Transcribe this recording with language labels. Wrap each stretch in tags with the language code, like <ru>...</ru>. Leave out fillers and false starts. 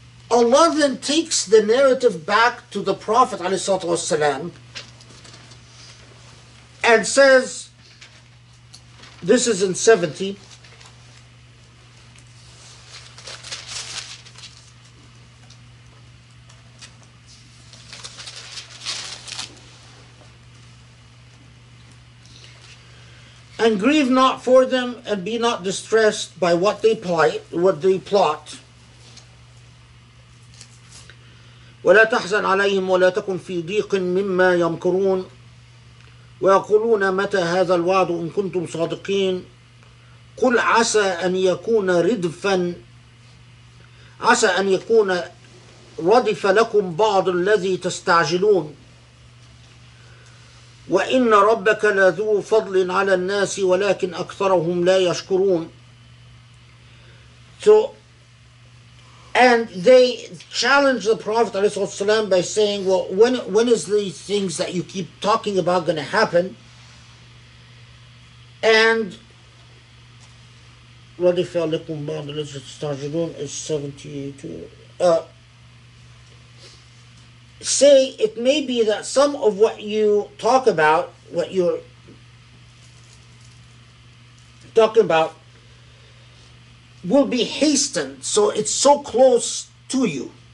<en>Allah then takes the narrative back to the Prophet والسلام, and says, this is in 70, and grieve not for them, and be not distressed by what they plight, what they plot.</en> <ar>ولا تحزن عليهم ولا تكن في ضيق مما يمكرون ويقولون متى هذا الوعد إن كنتم صادقين قل عسى أن يكون ردفا عسى أن يكون ردف لكم بعض الذي تستعجلون وإن ربك لذو فضل على الناس ولكن أكثرهم لا يشكرون.</ar> <en>So, and they challenge the Prophet ﷺ by saying, well, when is these things that you keep talking about going to happen? And</en> <ar>رَدِفَ لَكُمْ بَعْضَ الَّذِي تَسْتَعْجِلُونَ</ar> <en>is 72. Say, it may be that some of what you talk about, what you're talking about, will be hastened, so it's so close to you.</en>